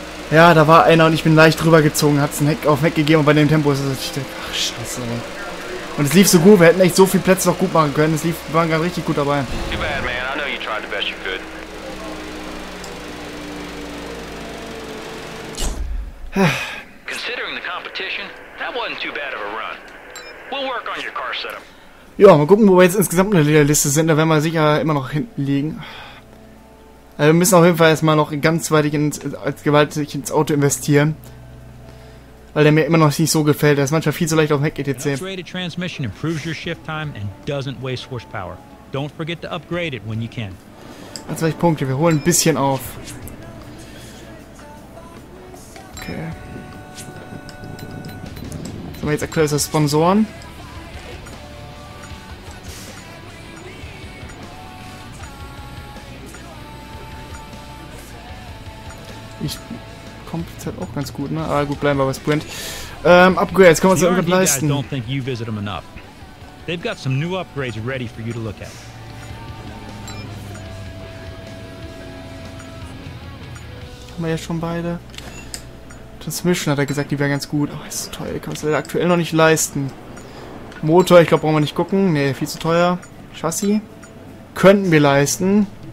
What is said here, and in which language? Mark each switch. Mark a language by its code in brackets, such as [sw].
[de] Ja, da war einer und ich bin leicht rübergezogen, hat es einen Heck auf den Heck gegeben und bei dem Tempo ist es natürlich der. Ach, scheiße, ey. Und es lief so gut, wir hätten echt so viele Plätze noch gut machen können. Wir waren gerade richtig gut dabei. [en] Too bad, man. I know you tried the best you could. Considering the competition, that wasn't too bad of a run. We'll work on your car setup. [de] Ja, mal gucken, wo wir jetzt insgesamt in der Liste sind. Da werden wir sicher immer noch hinten liegen. Also wir müssen auf jeden Fall erstmal noch ganz weit gewaltig ins Auto investieren. Weil der mir immer noch nicht so gefällt. Der ist manchmal viel zu leicht auf dem Heck, geht jetzt sehen. [en] An upgraded transmission improves your shift time and doesn't waste horsepower. Don't forget to upgrade it when you can. [de] Ganz weiche Punkte, wir holen ein bisschen auf. Okay. Sind wir jetzt aktuell als Sponsoren? Ich komme jetzt halt auch ganz gut, ne? Aber gut, bleiben wir bei Sprint. Upgrades, können wir uns irgendwas leisten. [en] Don't think you visit them enough. They've got some new upgrades ready for you to look at. [de] Haben wir ja schon beide. Transmission hat er gesagt, die wäre ganz gut. Oh, ist so teuer, kann man es aktuell noch nicht leisten. Motor, ich glaube, brauchen wir nicht gucken. Nee, viel zu teuer. Chassis könnten wir leisten.